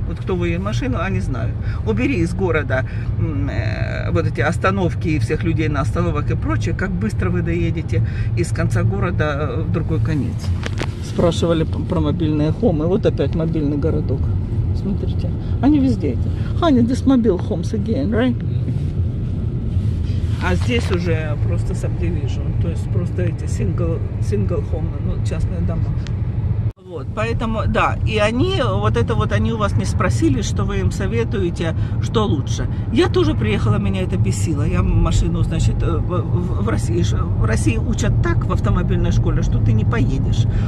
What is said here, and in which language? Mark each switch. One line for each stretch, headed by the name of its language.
Russian: Вот кто выедет машину, они знают. Убери из города вот эти остановки и всех людей на остановках и прочее, как быстро вы доедете из конца города в другой конец. Спрашивали про мобильные хомы. Вот опять мобильный городок. Смотрите. Они везде эти.
English: Honey, this mobile homes again, right?
Russian: А здесь уже просто subdivision. То есть просто эти
English: single home,
Russian: ну, частные дома. Вот, поэтому, да, и они, вот это вот, они у вас не спросили, что вы им советуете, что лучше. Я тоже приехала, меня это бесило. Я машину, значит, в России учат так в автомобильной школе, что ты не поедешь.